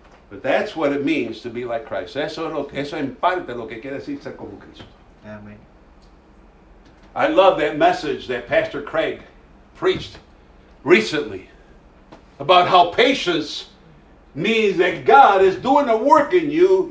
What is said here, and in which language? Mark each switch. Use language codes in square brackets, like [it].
[en] But that's what it means to be like Christ. [es] Eso en parte lo que quiere decir ser como Cristo. [en] Amen. I love that message that Pastor Craig preached recently about how patience means that God is doing a work in you.